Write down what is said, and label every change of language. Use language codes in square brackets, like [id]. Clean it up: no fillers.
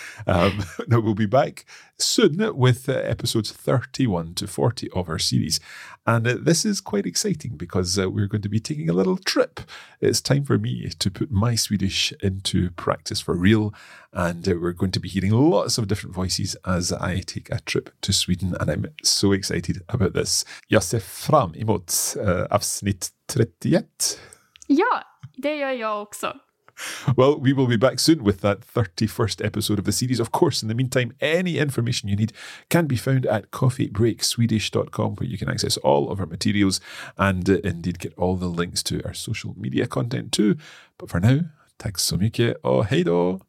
[en] Now we'll be back soon with episodes 31 to 40 of our series. And this is quite exciting because we're going to be taking a little trip. It's time for me to put my Swedish into practice for real. And we're going to be hearing lots of different voices as I take a trip to Sweden. And I'm so excited about this. [sv] Jag ser fram emot avsnitt 31. Ja, det gör jag också. [en] Well, we will be back soon with that 31st episode of the series. Of course, in the meantime, any information you need can be found at coffeebreakswedish.com, where you can access all of our materials and indeed get all the links to our social media content too. But for now, [sv] tack så mycket och hej då!